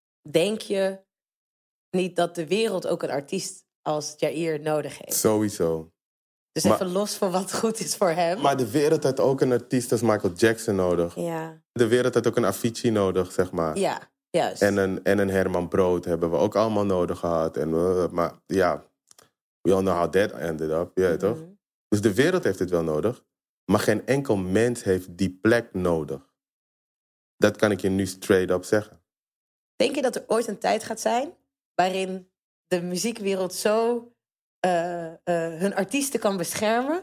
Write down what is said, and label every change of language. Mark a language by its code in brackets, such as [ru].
[nl] Denk je niet dat de wereld ook een artiest als Jair nodig heeft? Sowieso. Dus maar, even los van wat goed is voor hem. Maar de wereld had ook een artiest als Michael Jackson nodig. Ja. De wereld had ook een Avicii nodig, zeg maar. Ja, juist. En een Herman Brood hebben we ook allemaal nodig gehad. [en] Maar ja, we all know how that ended up. [nl] Ja, toch? Dus de wereld heeft het wel nodig. Maar geen enkel mens heeft die plek nodig. Dat kan ik je nu straight up zeggen. Denk je dat er ooit een tijd gaat zijn waarin de muziekwereld zo hun artiesten kan beschermen,